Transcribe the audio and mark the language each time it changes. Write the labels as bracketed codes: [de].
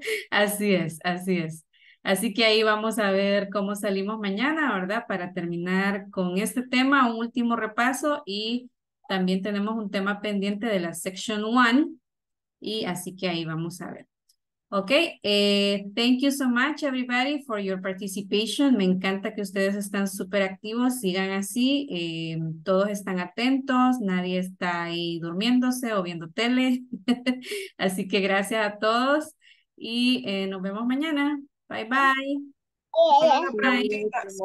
[es] así es. Así que ahí vamos a ver cómo salimos mañana, ¿verdad? Para terminar con este tema, un último repaso, y también tenemos un tema pendiente de la section 1, y así que ahí vamos a ver. [en] Ok, thank you so much everybody for your participation. [es] Me encanta que ustedes están súper activos, sigan así, todos están atentos, nadie está ahí durmiéndose o viendo tele. Así que gracias a todos y nos vemos mañana. [en] Bye bye. [es] Hola, una pregunta.